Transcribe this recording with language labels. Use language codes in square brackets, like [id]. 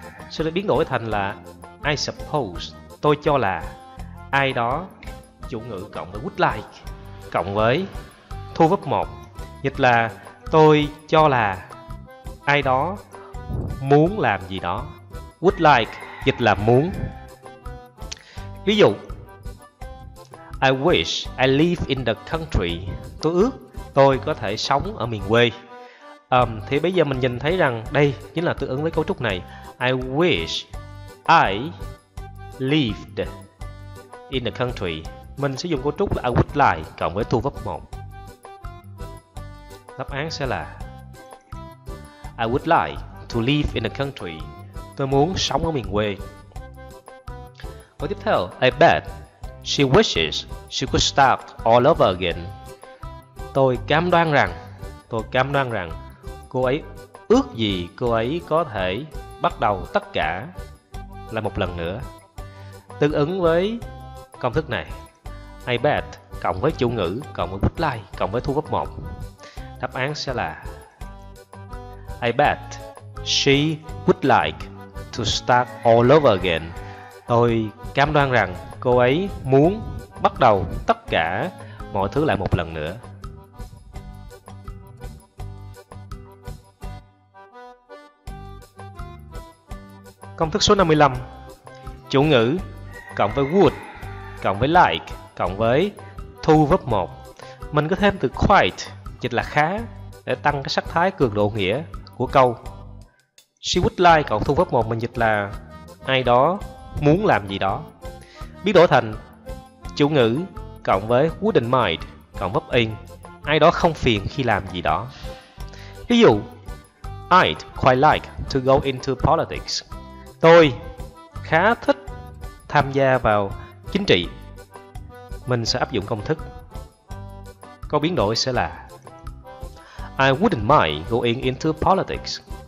[vi] Sẽ được biến đổi thành là [en] I suppose, [vi] tôi cho là ai đó chủ ngữ cộng với would like cộng với thu verb 1. Dịch là tôi cho là ai đó muốn làm gì đó. Would like dịch là muốn. Ví dụ, [en] I wish I live in the country. [vi] Tôi ước tôi có thể sống ở miền quê. Thì bây giờ mình nhìn thấy rằng đây chính là tương ứng với cấu trúc này. [en] I wish I lived in the country. [vi] Mình sử dụng cấu trúc là [en] I would like [vi] cộng với thu verb 1. Đáp án sẽ là [en] I would like to live in the country. [vi] Tôi muốn sống ở miền quê. Và tiếp theo, [en] I bet she wishes she could start all over again. [vi] Tôi cam đoan rằng cô ấy ước gì cô ấy có thể bắt đầu tất cả lại một lần nữa. Tương ứng với công thức này, I bet cộng với chủ ngữ cộng với would like cộng với thu verb 1. Đáp án sẽ là [en] I bet she would like to start all over again. [vi] Tôi cam đoan rằng cô ấy muốn bắt đầu tất cả mọi thứ lại một lần nữa. Công thức số 55. Chủ ngữ cộng với would cộng với like cộng với thu verb 1. Mình có thêm từ quite, dịch là khá, để tăng cái sắc thái cường độ nghĩa của câu. [en] She would like [vi] cộng thu verb 1 mình dịch là ai đó muốn làm gì đó. Biến đổi thành chủ ngữ cộng với wouldn't mind cộng verb in, ai đó không phiền khi làm gì đó. Ví dụ, [en] I'd quite like to go into politics. [vi] Tôi khá thích tham gia vào chính trị. Mình sẽ áp dụng công thức. Câu biến đổi sẽ là [en] I wouldn't mind going into politics.